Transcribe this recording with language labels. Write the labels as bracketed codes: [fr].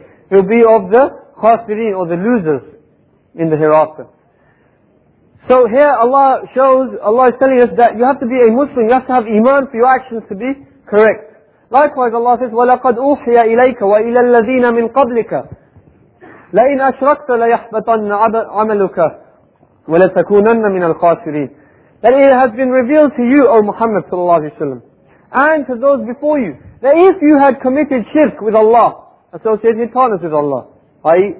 [en] He'll be of the khasirin, or the losers in the hereafter. So here Allah is telling us that you have to be a Muslim, you have to have iman for your actions to be correct. Likewise Allah says, [ar] وَلَقَدْ أُوحِيَ إِلَيْكَ وَإِلَى الَّذِينَ مِنْ قَبْلِكَ لَإِنْ أَشْرَكْتَ لَيَحْبَطَنَّ عَمَلُكَ وَلَتَكُونَنَّ مِنَ الْخَاسِرِينَ. [en] That it has been revealed to you, O Muhammad sallallahu alayhi wa sallam, and to those before you, that if you had committed shirk with Allah, associated partners with Allah, i.e.